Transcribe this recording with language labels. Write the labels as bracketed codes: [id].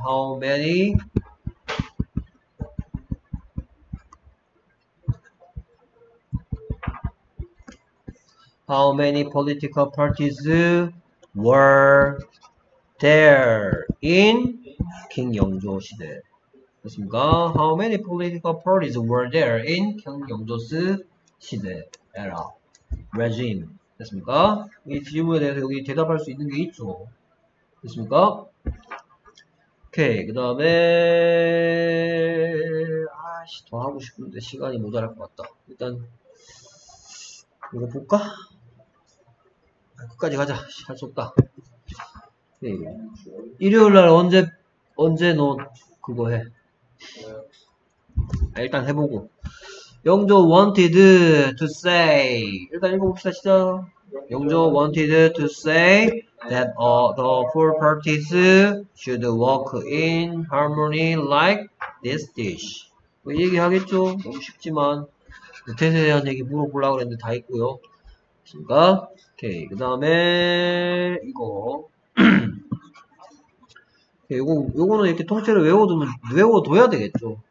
[en] How many political parties were there in King 영조 시대? [ko] 그렇습니까? [en] How many political parties were there in King Yongzhu's 시대, era, regime? [ko] 그렇습니까? 이 질문에 대해서 여기 대답할 수 있는 게 있죠. 그렇습니까? 오케이. 그 다음에, 아씨, 더 하고 싶은데 시간이 모자랄 것 같다. 일단, 이거 볼까? 끝까지 가자. 할수 없다. 일요일 날 언제 너 그거 해? 아, 일단 해보고. 영조 [en] wanted to say. [ko] 일단 읽어봅시다. 시작. [en] 영조 wanted to say that all the four parties should work in harmony like this dish. [ko] 뭐 얘기하겠죠? 너무 쉽지만. 뜻에 대한 얘기 물어보려고 했는데 다 있고요. 됐습니까? 오케이. 그 다음에, 이거. 요거는 이렇게 통째로 외워둬야 되겠죠.